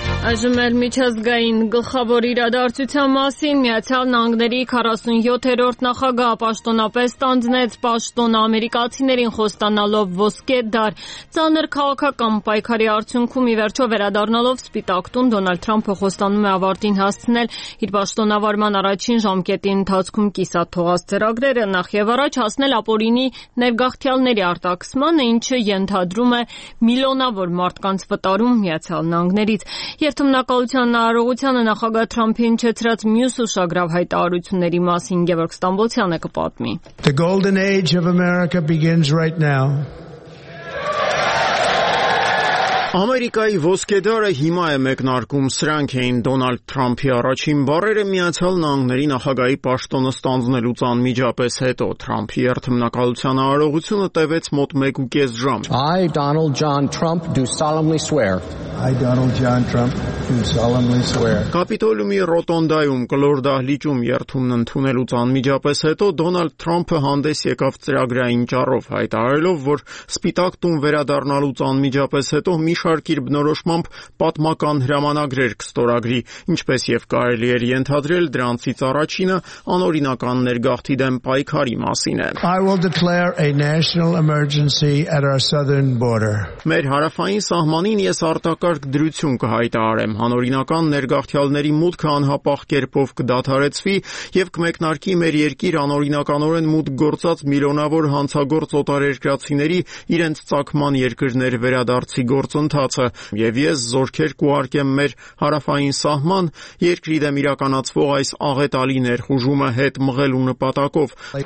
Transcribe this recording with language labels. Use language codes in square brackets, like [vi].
[hy] Այժմ էլ միջազգային գլխավոր իրադարձության մասին։ Միացյալ Նահանգների 47-րդ նախագահ պաշտոնապես տանձնեց պաշտոն ամերիկացիներին, խոստանալով ոսկե դար ծանր քաղաքական պայքարի արդյունքում, ի վերջո վերադառնալով Սպիտակ տուն, Դոնալդ Թրամփը խոստանում է ավարտին հասցնել իր պաշտոնավարման առաջին ժամկետի ընթացքում կիսաթողած ծրագրերը, նախ և առաջ հասնել ապօրինի ներգաղթյալների արտաքսմանը, ինչը ենթադրում է միլիոնավոր մարդկանց վտարում Միացյալ Նահանգներից։ Երթմնակալության նարողությանը նախագահ Թրամփին չեցրած մյուս ուշագրավ հայտարարությունների մասին Գևորգ Ստամբոլցյանը կպատմի։ [en] The golden age of America begins right now. [hy] Ամերիկայի ոսկեդարը հիմա է մեկնարկում, սրանք էին Դոնալդ Թրամփի առաջին բառերը Միացյալ Նահանգների նախագահի պաշտոնը ստանձնելուց անմիջապես հետո։ Թրամփի երթմնակալության արարողությունը տևեց մոտ 1.5 ժամ։ [en] I, Donald John Trump, do solemnly swear. I, Donald John Trump, do solemnly swear. [hy] Կապիտոլիումի ռոտոնդայում, կլոր դահլիճում երթումն ընդունելուց անմիջապես հետո Դոնալդ Թրամփը հանդես եկավ ծրագրային ճառով, հայտարարելով, որ Սպիտակ տուն վերադառնալուց անմիջապես հետո ընդհանուր իր բնորոշմամբ պատմական հրամանագրեր կստորագրի, ինչպես եւ կարելի էր ենթադրել դրանցից առաջինը անօրինական ներգաղթի դեմ պայքարի մասին է. [en] I will declare a national emergency at our southern border. [hy] Մեր հարավային սահմանին ես արտակարգ դրություն կհայտարարեմ, անօրինական ներգաղթյալների մուտքը անհապաղ կերպով կդադարեցվի եւ կմեկնարկի մեր երկիր անօրինականորեն մուտք գործած միլիոնավոր հանցագործ օտարերկրացիների իրենց ծագման երկրներ վերադարձի գործընթացը, եւ ես զորքեր կուարկեմ մեր հարավային սահման երկրի դեմ իրականացվող այս աղետալի ներխուժումը հետ մղելու նպատակով։